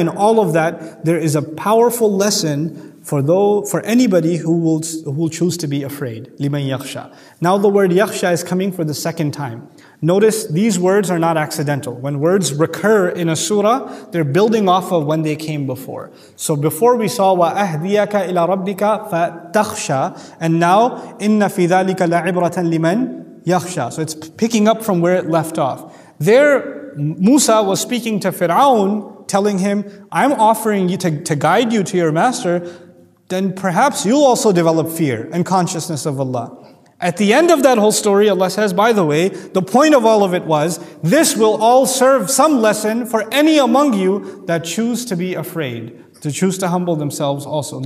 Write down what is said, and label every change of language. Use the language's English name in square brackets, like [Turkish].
[English] In all of that, there is a powerful lesson for anybody who will choose to be afraid. [Arabic] لِمَنْ يَخْشَى. [English] Now the word يَخْشَى is coming for the second time. Notice these words are not accidental. When words recur in a surah, they're building off of when they came before. So before we saw [Arabic] وَأَهْدِيَكَ إِلَىٰ رَبِّكَ فَتَخْشَى. [English] And now [Arabic] إِنَّ فِي ذَلِكَ لَعِبْرَةً لِمَنْ يَخْشَى. [English] So it's picking up from where it left off. There, Musa was speaking to Fir'aun, telling him, I'm offering you to guide you to your master, then perhaps you'll also develop fear and consciousness of Allah. At the end of that whole story, Allah says, by the way, the point of all of it was, this will all serve some lesson for any among you that choose to be afraid, to choose to humble themselves also.